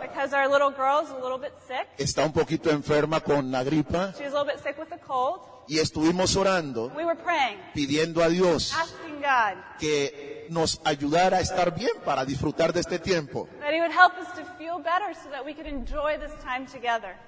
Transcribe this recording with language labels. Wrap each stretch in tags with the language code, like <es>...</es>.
<en>Because our little girl is a little bit sick.</en> <es>Está un poquito enferma con la gripa.</es> <en>She's a little bit sick with the cold.</en> <es>Y estuvimos orando,</es> <en>we were praying,</en> <es>pidiendo a Dios</es> <en>asking God,</en> <es>que nos ayudara a estar bien para disfrutar de este tiempo.</es> <en>That he would help us to feel better so that we could enjoy this time together.</en>